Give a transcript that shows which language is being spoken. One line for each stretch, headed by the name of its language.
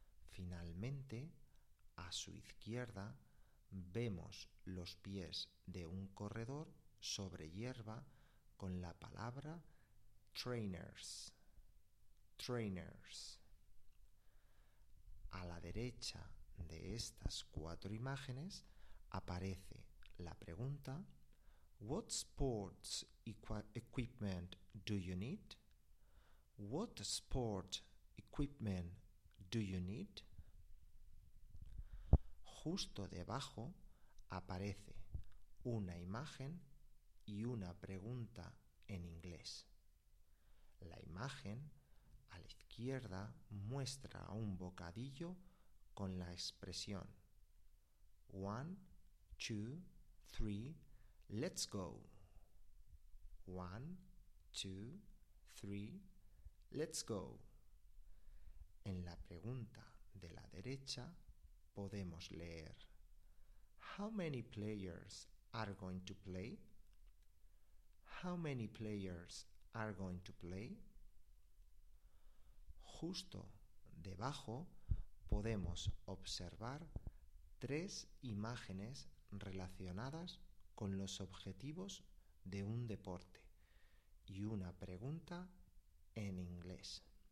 Spanish: Finalmente, a su izquierda, vemos los pies de un corredor sobre hierba con la palabra trainers. Trainers. A la derecha de estas cuatro imágenes aparece la pregunta:
English: What sports equipment do you need? What sport equipment do you need?
Spanish: Justo debajo aparece una imagen y una pregunta en inglés. La imagen a la izquierda muestra un bocadillo con la expresión
English: 1, 2, 3, let's go. 1, 2, 3, let's go.
Spanish: En la pregunta de la derecha podemos leer:
English: How many players are going to play? How many players are going to play?
Spanish: Justo debajo podemos observar tres imágenes relacionadas con los objetivos de un deporte y una pregunta en inglés.